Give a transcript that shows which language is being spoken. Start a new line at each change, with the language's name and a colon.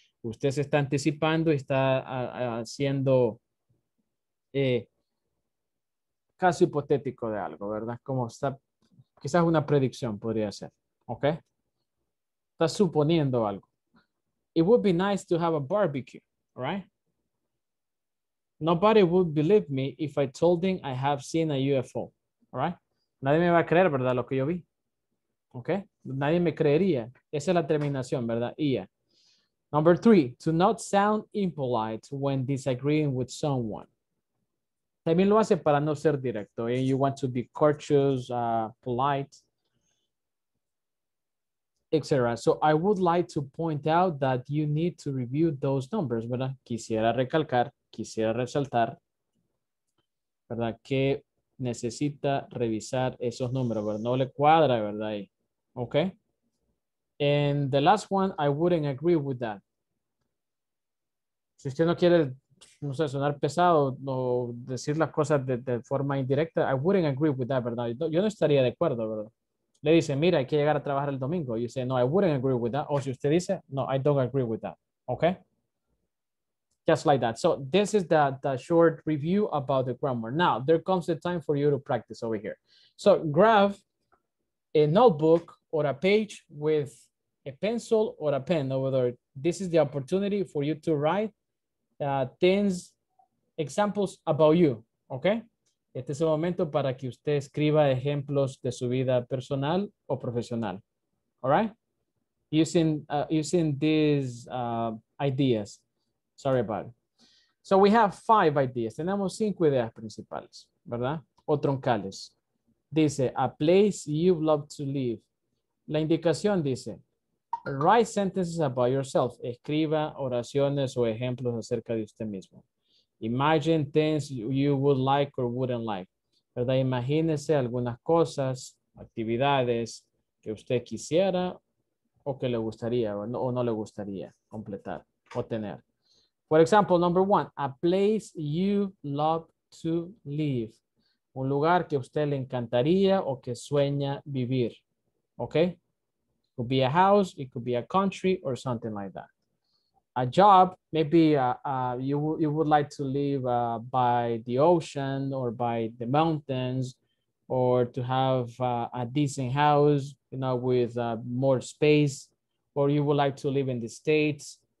Spanish: Usted se está anticipando y está haciendo caso hipotético de algo, ¿verdad? Como está, quizás una predicción podría ser, okay? Está suponiendo algo.
English: It would be nice to have a barbecue, right? Nobody would believe me if I told them I have seen a UFO, all right?
Spanish: Nadie me va a creer, ¿verdad? Lo que yo vi.
English: ¿Ok?
Spanish: Nadie me creería. Esa es la terminación, ¿verdad? Ia.
English: Number three, to not sound impolite when disagreeing with someone.
Spanish: También lo hace para no ser directo.
English: And you want to be courteous, polite, etc. So I would like to point out that you need to review those numbers, ¿verdad?
Spanish: Quisiera recalcar, quisiera resaltar, ¿verdad? Que necesita revisar esos números, ¿verdad? No le cuadra, ¿verdad? Ok.
English: And the last one, I wouldn't agree with that.
Spanish: Si usted no quiere, no sé, sonar pesado o decir las cosas de forma indirecta,
English: I wouldn't agree with that,
Spanish: ¿verdad? Yo no estaría de acuerdo, ¿verdad? Le dice, mira, hay que llegar a trabajar el domingo.
English: You say, no, I wouldn't agree with that.
Spanish: O si usted dice, no,
English: I don't agree with that. Ok. Just like that. So this is the short review about the grammar. Now, there comes the time for you to practice over here. So grab a notebook or a page with a pencil or a pen over there. This is the opportunity for you to write 10 examples about you, okay?
Spanish: Este es el momento para que usted escriba ejemplos de su vida personal o profesional, all right?
English: Using these ideas. Sorry about it. So we have 5 ideas.
Spanish: Tenemos 5 ideas principales, ¿verdad? O troncales.
English: Dice, a place you love to live. La indicación dice, write sentences about yourself.
Spanish: Escriba oraciones o ejemplos acerca de usted mismo.
English: Imagine things you would like or wouldn't like.
Spanish: ¿Verdad? Imagínese algunas cosas, actividades que usted quisiera o que le gustaría o no le gustaría completar o tener.
English: For example, number one, a place you love to live.
Spanish: Un lugar que a usted le encantaría o que sueña vivir. Okay?
English: It could be a house, it could be a country or something like that. A job, maybe you would like to live by the ocean or by the mountains or to have a decent house, you know, with more space, or you would like to live in the States